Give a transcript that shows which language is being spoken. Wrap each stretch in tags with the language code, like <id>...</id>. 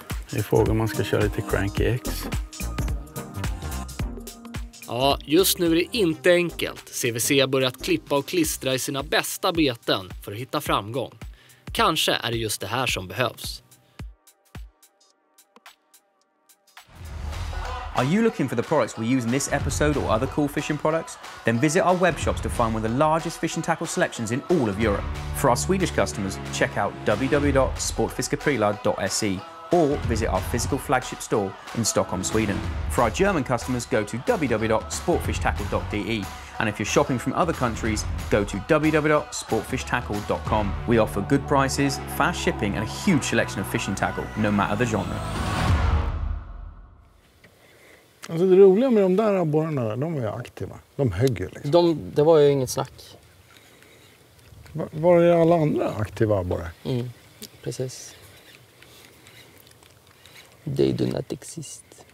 <sv>Det är frågan om man ska köra lite cranky X. Ja, just nu är det inte enkelt. CVC har börjat klippa och klistra i sina bästa beten för att hitta framgång. Kanske är det just det här som behövs.</sv> <en>Are you looking for the products we use in this episode or other cool fishing products? Then visit our webshops to find one of the largest fishing tackle selections in all of Europe. For our Swedish customers, check out www.sportfiskeprylar.se. Or visit our physical flagship store in Stockholm, Sweden. For our German customers, go to www.sportfishtackle.de. And if you're shopping from other countries, go to www.sportfishtackle.com. We offer good prices, fast shipping, and a huge selection of fishing tackle, no matter the genre.</en> <sv>Alltså det roliga med de där abborrarna, de var ju aktiva. De högg ju liksom. De, det var ju inget snack. Var är alla andra aktiva abborrar? Mm, precis.</sv> <en>They do not exist.</en>